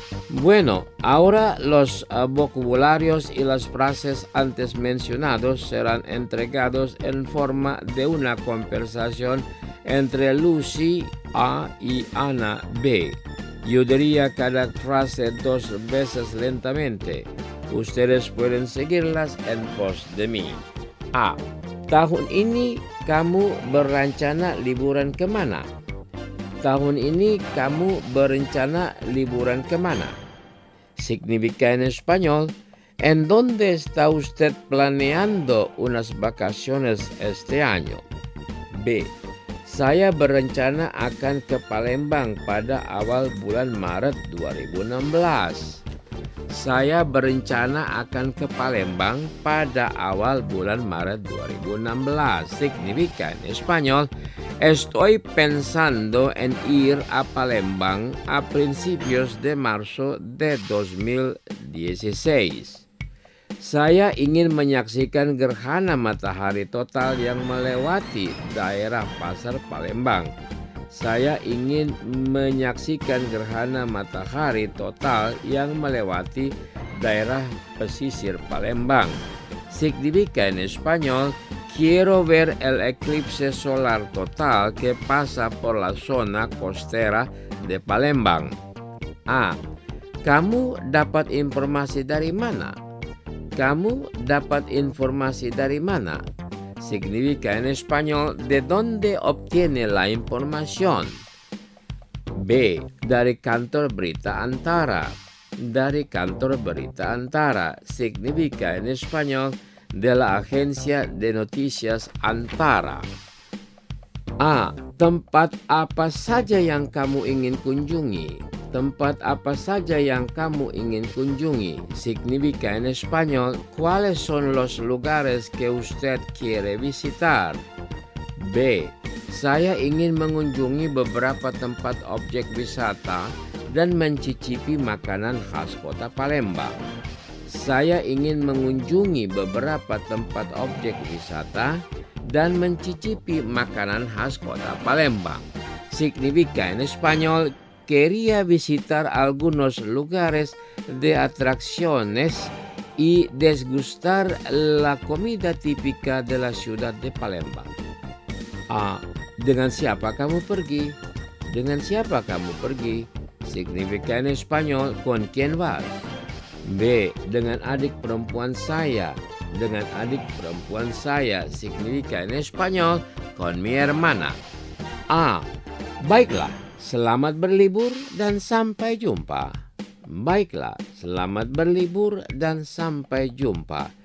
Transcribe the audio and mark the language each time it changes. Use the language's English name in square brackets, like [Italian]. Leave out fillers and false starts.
[Spanish] Bueno, ahora los vocabularios y las frases antes mencionados serán entregados en forma de una conversación entre Lucy A y Ana B. Yo diría cada frase dos veces lentamente. Ustedes pueden seguirlas en pos de mí. A. [Indonesian] Tahun ini kamu berencana liburan kemana? Tahun ini kamu berencana liburan kemana? [Spanish] Significa en español, ¿en dónde está usted planeando unas vacaciones este año? [Indonesian] B. Saya berencana akan ke Palembang pada awal bulan Maret 2016. Saya berencana akan ke Palembang pada awal bulan Maret 2016. [Spanish] Significa en español, estoy pensando en ir a Palembang a principios de marzo de 2016. [Indonesian] Saya ingin menyaksikan gerhana matahari total yang melewati daerah pasar Palembang. Saya ingin menyaksikan gerhana matahari total yang melewati daerah pesisir Palembang. [Spanish] Significa en español, Quiero ver el eclipse solar total que pasa por la zona costera de Palembang. A. [Indonesian] Kamu dapat informasi dari mana? Kamu dapat informasi dari mana? [Spanish] Significa en español, ¿de dónde obtiene la información? B. [Indonesian] Dari kantor berita Antara. Dari kantor berita Antara. [Spanish] Significa en español, de la agencia de noticias Antara. A. [Indonesian] Tempat apa saja yang kamu ingin kunjungi? Tempat apa saja yang kamu ingin kunjungi? [Spanish] Significa en español, ¿cuáles son los lugares que usted quiere visitar? B. [Indonesian] Saya ingin mengunjungi beberapa tempat objek wisata dan mencicipi makanan khas kota Palembang. Saya ingin mengunjungi beberapa tempat objek wisata dan mencicipi makanan khas kota Palembang. [Spanish] Significa en español, quería visitar algunos lugares de atracciones y degustar la comida típica de la ciudad de Palembang. A. [Indonesian] Dengan siapa kamu pergi? Dengan siapa kamu pergi? [Spanish] Significa en español, ¿con quién vas? B. [Indonesian] Dengan adik perempuan saya. Dengan adik perempuan saya. [Spanish] Significa en español, con mi hermana. A. [Indonesian] Baiklah, selamat berlibur dan sampai jumpa. Baiklah, selamat berlibur dan sampai jumpa.